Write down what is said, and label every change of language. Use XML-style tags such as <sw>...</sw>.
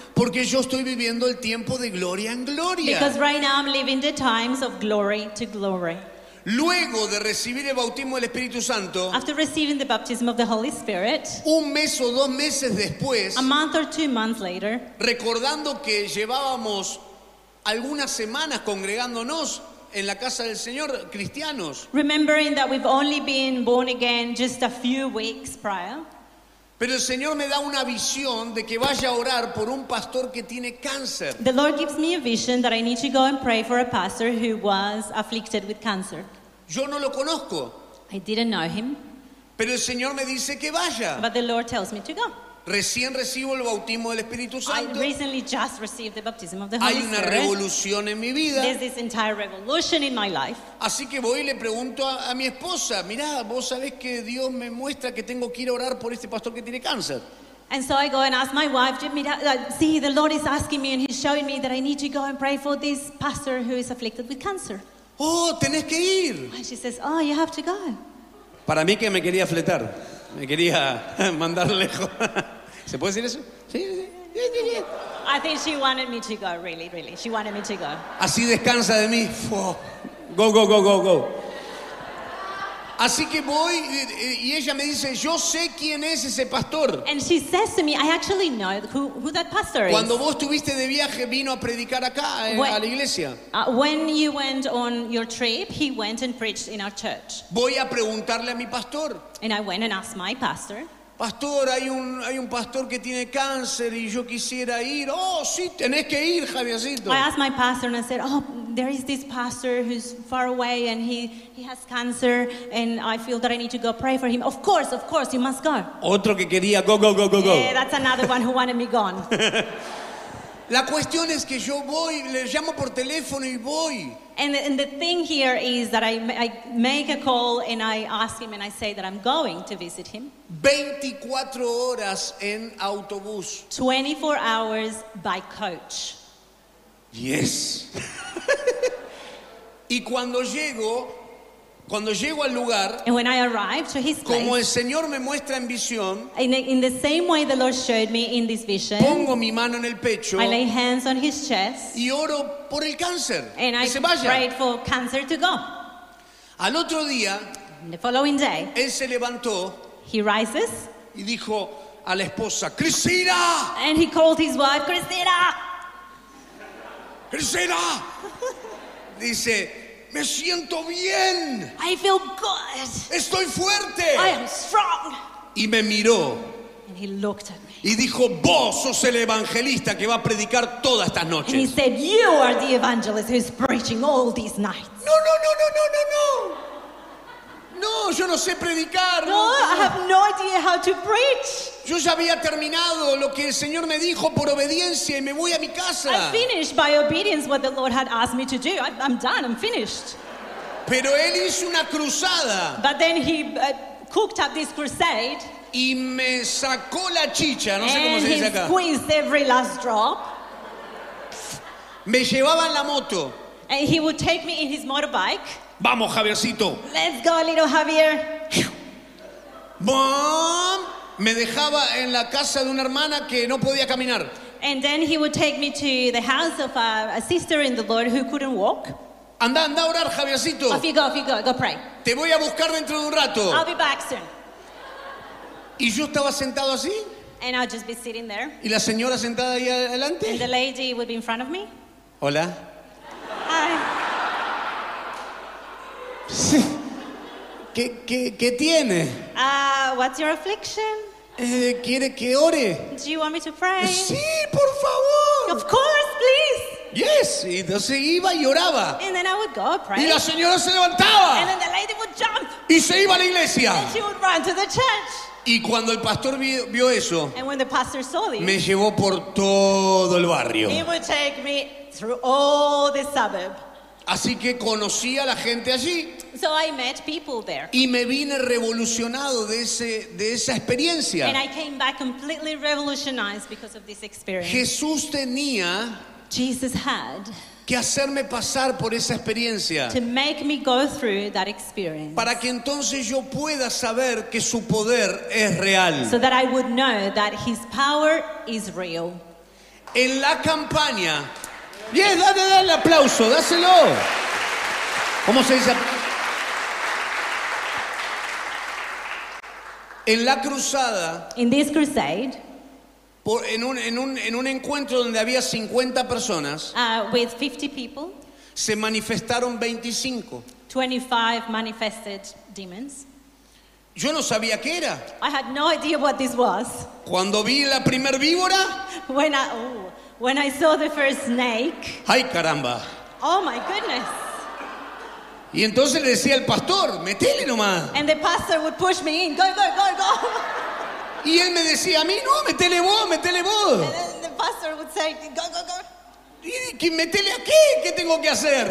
<es>Porque yo estoy viviendo el tiempo de gloria en gloria.</es> <en>Because right now I'm living the times of glory to glory.</en> <es>Luego de recibir el bautismo del Espíritu Santo,</es> <en>after receiving the baptism of the Holy Spirit,</en> <es>un mes o dos meses después,</es> <en>a month or 2 months later,</en> <es>recordando que llevábamos algunas semanas congregándonos en la casa del Señor, cristianos,</es> <en>remembering that we've only been born again just a few weeks prior,</en> <es>pero el Señor me da una visión de que vaya a orar por un pastor que tiene cáncer.</es> <en>The Lord gives me a vision that I need to go and pray for a pastor who was afflicted with cancer.</en> <es>Yo no lo conozco.</es> <en>I didn't know him.</en> <es>Pero el Señor me dice que vaya.</es> <en>But the Lord tells me to go.</en> <es>Recién recibo el bautismo del Espíritu Santo.</es> <en>I recently just received the baptism of the Holy Spirit.</en> <es>Hay una revolución en mi vida.</es> <en>There's this entire revolution in my life.</en> <es>Así que voy y le pregunto a mi esposa, mirá, vos sabés que Dios me muestra que tengo que ir a orar por este pastor que tiene cáncer.</es> <en>And so I go and ask my wife, see, the Lord is asking me and he's showing me that I need to go and pray for this pastor who is afflicted with cancer.</en> <es>Oh, tenés que ir.</es> <en>And she says, oh, you have to go.</en> <es>Para mí que me quería fletar. Me quería mandar lejos. ¿Se puede decir eso? Sí.</es> <en>I think she wanted me to go, really, really. She wanted me to go.</en> <es>Así descansa de mí.</es> <en>Go.</en> <es>Así que voy y ella me dice, yo sé quién es ese pastor.</es> <en>And she says to me, I actually know who that pastor is.</en> <es>Cuando vos estuviste de viaje, vino a predicar acá, a la iglesia.</es> <en>When you went on your trip, he went and preached in our church.</en> <es>Voy a preguntarle a mi pastor.</es> <en>And I went and asked my pastor.</en> <es>Pastor, hay un pastor que tiene cáncer y yo quisiera ir. Oh, sí, tenés que ir, Javiercito.</es> <en>I asked my pastor and I said, oh, there is this pastor who's far away and he has cancer and I feel that I need to go pray for him. Of course, you must go.</en> <es>Otro que quería,</es> <en>go. Yeah, that's another one who wanted me gone.</en> <es>La cuestión es que yo voy, le llamo por teléfono y voy.</es> <en>And the thing here is that I make a call and I ask him and I say that I'm going to visit him.</en> <es>24 horas en autobús.</es> <en>24 hours by coach. Yes.</en> <es>Y cuando llego, Cuando llego al lugar,</es> <en>and when I arrived to his</en> <es>como</es> <en>place,</en> <es>el Señor me muestra en visión,</es> <en>in the same way the Lord showed me in this vision,</en> <es>pongo mi mano en el pecho,</es> <en>I lay hands on his chest,</en> <es>y oro por el cáncer,</es> <en>and</en> <es>que</es> <en>I</en> <es>se vaya.</es> <en>Prayed for cancer to go.</en> <es>Al otro día,</es> <en>the following day,</en> <es>él se levantó,</es> <en>he rises,</en> <es>y dijo a la esposa, Cristina,</es> <en>and he called his wife, Cristina.</en> <es>Cristina, dice. Me siento bien.</es> <en>I feel good.</en> <es>Estoy fuerte.</es> <en>I am strong.</en> <es>Y me miró.</es> <en>And he looked at me.</en> <es>Y dijo, vos sos el evangelista que va a predicar todas estas noches.</es> <en>And he said, you are the evangelist who's preaching all these nights.</en> <es>No, no, no, no, no, no, no. No, yo no sé predicar.</es> <en>No, I have no idea how to preach.</en> <es>Yo ya había terminado lo que el Señor me dijo por obediencia y me voy a mi casa.</es> <en>I finished by obedience what the Lord had asked me to do. I'm done, I'm finished.</en> <es>Pero él hizo una cruzada.</es> <en>But then he cooked up this crusade.</en> <es>Y me sacó la chicha, no sé cómo se dice acá.</es> <en>And he squeezed every last drop.</en> <es>Me llevaba en la moto.</es> <en>And he would take me in his motorbike.</en> <es>Vamos, Javiercito.</es> <en>Let's go, little Javier.</en> <es>Mom, me dejaba en la casa de una hermana que no podía caminar.</es> <en>And then he would take me to the house of a sister in the Lord who couldn't walk.</en> <es>Anda, anda a orar, Javiercito.</es> <en>Off you go, off you go, go pray.</en> <es>Te voy a buscar dentro de un rato.</es> <en>I'll be back soon.</en> <es>Y yo estaba sentado así.</es> <en>And I'll just be sitting there.</en> <es>Y la señora sentada ahí adelante.</es> <en>And the lady would be in front of me.</en> <es>Hola.</es> <en>Hi.</en> <es>¿Qué tiene?</es> <en>What's your affliction?</en> <es>¿Quiere que ore?</es> <en>Do you want me to pray?</en> <es>Sí, por favor.</es> <en>Of course, please. Yes,</en> <es>y entonces iba y oraba.</es> <en>And then I would go pray.</en> <es>Y la señora se levantaba.</es> <en>And then the lady would jump.</en> <es>Y se iba a la iglesia.</es> <en>And she would run to the church.</en> <es>Y cuando el pastor vio eso,</es> <en>and when the pastor saw this,</en> <es>me llevó por todo el barrio.</es> <en>He would take me through all the suburb.</en> <es>Así que conocí a la gente allí.</es> <en>So I met people there.</en> <es>Y me vine revolucionado de esa experiencia.</es> <en>And I came back completely revolutionized because of this experience.</en> <es>Jesús tenía</es> <en>Jesus had</en> <es>que hacerme pasar por esa experiencia.</es> <en>To make me go through that experience.</en> <es>Para que entonces yo pueda saber que su poder es real.</es> <en>So that I would know that his power is real.</en> <es>En la campaña. Bien,</es> <en>yes,</en> <es>dale, dale, aplauso, dáselo. ¿Cómo se dice? En la cruzada.</es> <en>In this crusade.</en> <es>En un encuentro donde había 50 personas.</es> <en>With 50 people.</en> <es>Se manifestaron 25.</es> <en>25 manifested demons.</en> <es>Yo no sabía qué era.</es> <en>I had no idea what this was.</en> <es>Cuando vi la primer víbora.</es> <en>When I saw the first snake.</en> <es>¡Ay, caramba!</es> <en>Oh my goodness.</en> <es>Y entonces le decía el pastor, metele nomás.</es> <en>And the pastor would push me in. Go, go, go, go.</en> <es>Y él me decía, a mí no, metele vos, metele vos.</es> <en>And then the pastor would say, go, go, go.</en> <es>Y que metele aquí, ¿qué tengo que hacer?</es>